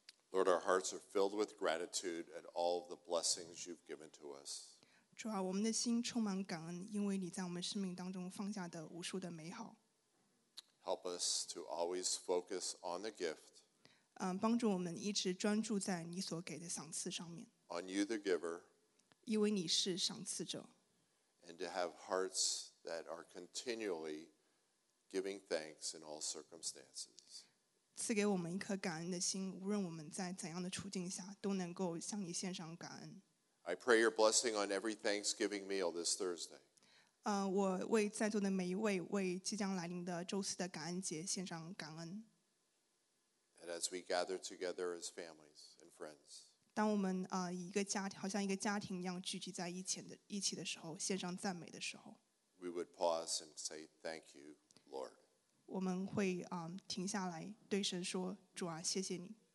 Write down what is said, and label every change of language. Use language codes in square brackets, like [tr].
[en] Lord, our hearts are filled with gratitude at all the blessings you've given to us. [zh] 主啊，我们的心充满感恩，因为你在我们生命当中放下的无数的美好。 [en] Help us to always focus on the gift. [zh] 帮助我们一直专注在你所给的赏赐上面。 [en] On you, the giver. [zh] 因为你是赏赐者。 [en] And to have hearts that are continually giving thanks in all circumstances. [zh] 赐给我们一颗感恩的心，无论我们在怎样的处境下，都能够向你献上感恩。 [en] I pray your blessing on every Thanksgiving meal this Thursday. [zh] 我为在座的每一位，为即将来临的周四的感恩节献上感恩。 [en] And as we gather together as families and friends. [zh] 当我们以一个家庭，好像一个家庭一样聚集在一起的时候，献上赞美的时候。 [en] We would pause and say thank you, Lord. [zh] 我们会停下来对神说，主啊，谢谢你。